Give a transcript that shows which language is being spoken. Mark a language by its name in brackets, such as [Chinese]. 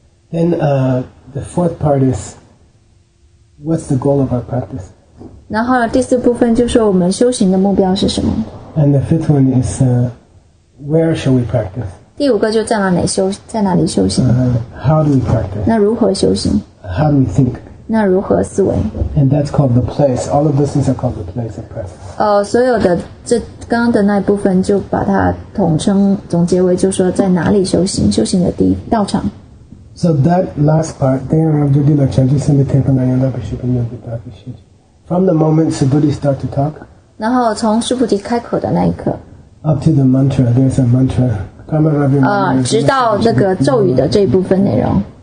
[English] Then the fourth part is, what's the goal of our practice? [Chinese] 然后第四部分就是我们修行的目标是什么。 [English] And the fifth one is, where shall we practice? [Chinese] 第五个就在哪里修行。 [English] How do we practice? [Chinese] 那如何修行。 [English] How do we think? [Chinese] 那如何思维 [English] ？And that's called the place. All of those things are called the place of practice. [Chinese] 所有的这刚刚的那一部分就把它统称总结为，就说在哪里修行，修行的第一道场。 [English] So that last part, then of the lecture, just in the table, I end up shipping you the talking. From the moment Subhuti start to talk, [Chinese] 然后从须菩提开口的那一刻 [English] ，up to the mantra, there's a mantra. [Chinese] 直到这个咒语的这一部分内容。